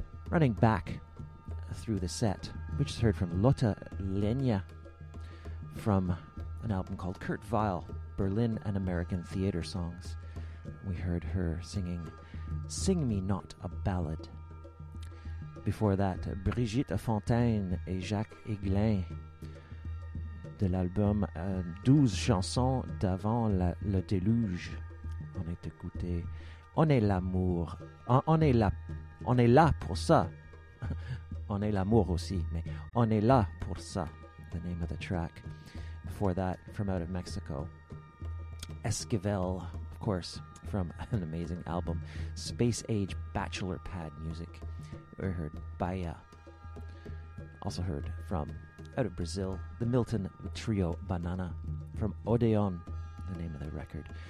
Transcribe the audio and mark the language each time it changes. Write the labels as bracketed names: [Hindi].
[English] Running back through the set, we just heard from Lotte Lenya from an album called Kurt Weill, Berlin and American Theater Songs. We heard her singing Sing Me Not a Ballad. Before that, Brigitte Fontaine et Jacques Aiglin de l'album 12 chansons d'avant le déluge. [French] On est écouté. On est l'amour. On est là pour ça. On est l'amour aussi, mais on est là pour ça. [English] The name of the track. Before that, from out of Mexico, Esquivel, of course, from an amazing album, Space Age Bachelor Pad Music. We heard Bahia. Also heard from out of Brazil, the Milton Trio Banana from Odeon, the name of the record.